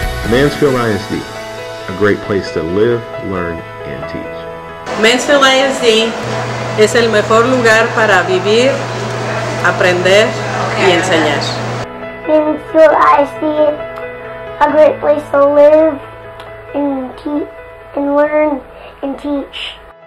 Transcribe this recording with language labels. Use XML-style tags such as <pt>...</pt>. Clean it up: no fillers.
<en>Mansfield ISD, a great place to live, learn, and teach.</en> <es>Mansfield ISD es el mejor lugar para vivir, aprender, y enseñar.</es> <en>Mansfield ISD is a great place to live, and learn, and teach.</en>